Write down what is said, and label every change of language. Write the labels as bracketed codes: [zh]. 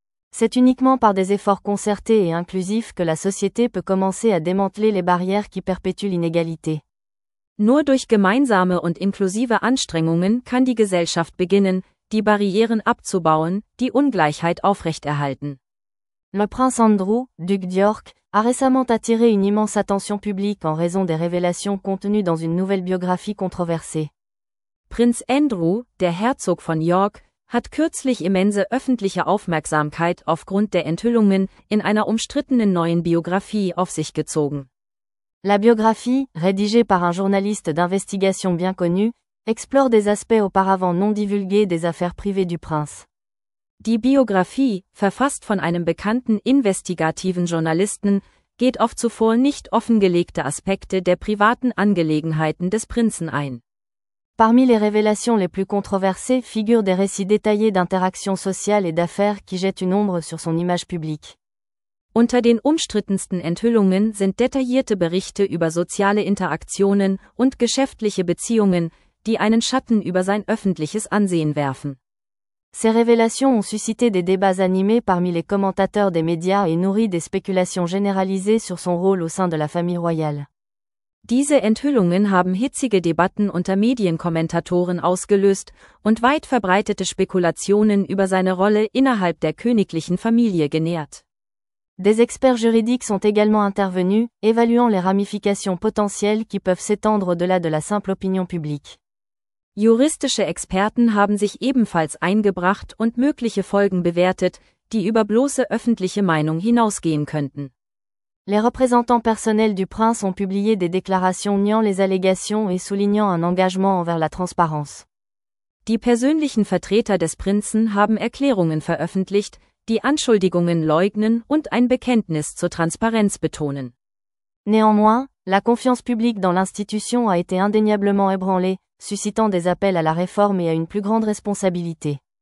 [fr] C'est uniquement par des efforts concertés et inclusifs que la société peut commencer à démanteler les barrières qui perpétuent l'inégalité. [de] Nur durch gemeinsame und inklusive Anstrengungen kann die Gesellschaft beginnen, die Barrieren abzubauen, die Ungleichheit aufrechterhalten. [fr] Le prince Andrew, duc d'York, a récemment attiré une immense attention publique en raison des révélations contenues dans une nouvelle biographie controversée. [de] Prinz Andrew, der Herzog von York, hat kürzlich immense öffentliche Aufmerksamkeit aufgrund der Enthüllungen in einer umstrittenen neuen Biografie auf sich gezogen. [fr] La biographie, rédigée par un journaliste d'investigation bien connu, explore des aspects auparavant non divulgués des affaires privées du prince. [de] Die Biografie, verfasst von einem bekannten investigativen Journalisten, geht auf zuvor nicht offengelegte Aspekte der privaten Angelegenheiten des Prinzen ein. [fr] Parmi les révélations les plus controversées figurent des récits détaillés d'interactions sociales et d'affaires qui jettent une ombre sur son image publique. [de] Unter den umstrittensten Enthüllungen sind detaillierte Berichte über soziale Interaktionen und geschäftliche Beziehungen, die einen Schatten über sein öffentliches Ansehen werfen. [fr] Ces révélations ont suscité des débats animés parmi les commentateurs des médias et nourri des spéculations généralisées sur son rôle au sein de la famille royale. [de] Diese Enthüllungen haben hitzige Debatten unter Medienkommentatoren ausgelöst und weit verbreitete Spekulationen über seine Rolle innerhalb der königlichen Familie genährt. [fr] Des experts juridiques sont également intervenus, évaluant les ramifications potentielles qui peuvent s'étendre au-delà de la simple opinion publique. [de] Juristische Experten haben sich ebenfalls eingebracht und mögliche Folgen bewertet, die über bloße öffentliche Meinung hinausgehen könnten. [fr] Les représentants personnels du prince ont publié des déclarations niant les allégations et soulignant un engagement envers la transparence. [de] Die persönlichen Vertreter des Prinzen haben Erklärungen veröffentlicht, die Anschuldigungen leugnen und ein Bekenntnis zur Transparenz betonen. [fr] Néanmoins, la confiance publique dans l'institution a été indéniablement ébranlée, suscitant des appels à la réforme et à une plus grande responsabilité.